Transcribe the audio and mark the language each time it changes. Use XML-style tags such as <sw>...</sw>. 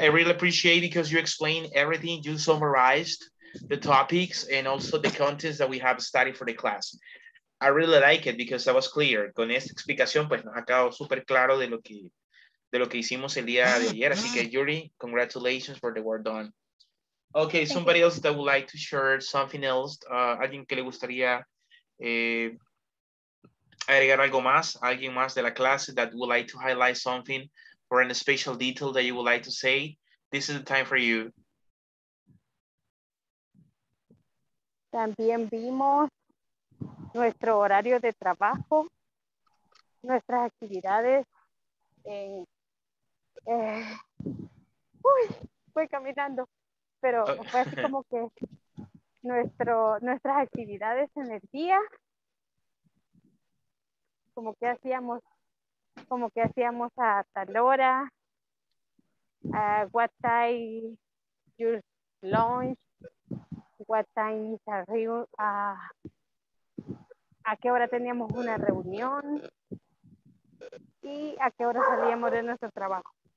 <en>I really appreciate it because you explained everything. You summarized the topics and also the contents that we have studied for the class. I really like it because that was clear.</en> <es>Con esta explicación, pues nos ha quedado súper claro de lo que hicimos el día de ayer. Así que,</es> <en>Yuri, congratulations for the work done. Okay, somebody else that would like to share something else.</en> <es>Alguien que le gustaría agregar algo más. Alguien más de la clase</es> <en>that would like to highlight something or in a special detail that you would like to say. This is the time for you.</en> <es>También vimos nuestro horario de trabajo, nuestras actividades. Voy caminando, pero fue así como que nuestras actividades en el día, como que hacíamos a tal hora,</es> <en>what time your lunch, what time is a reunion,</en> <es>a qué hora teníamos una reunión y a qué hora salíamos de nuestro trabajo.</es>